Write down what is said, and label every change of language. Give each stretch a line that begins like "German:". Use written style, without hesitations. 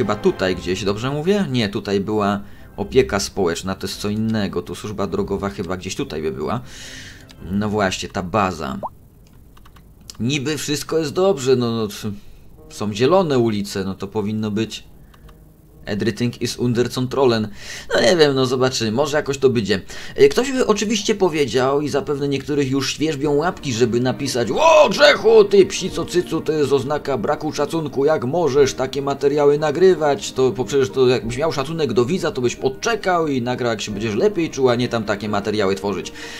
Polish: Chyba tutaj gdzieś, dobrze mówię? Nie, tutaj była opieka społeczna, to jest co innego. Tu służba drogowa chyba gdzieś tutaj by była. No właśnie, ta baza. Niby wszystko jest dobrze, no... Są zielone ulice, no to powinno być...
English: Everything is under control.
Polish: No nie wiem, no zobaczymy, może jakoś to będzie. Ktoś by oczywiście powiedział, i zapewne niektórych już świerzbią łapki, żeby napisać: o, Grzechu, ty psico cycu, to jest oznaka braku szacunku, jak możesz takie materiały nagrywać? To przecież to jakbyś miał szacunek do widza, to byś podczekał i nagrał, jak się będziesz lepiej czuł, a nie tam takie materiały tworzyć.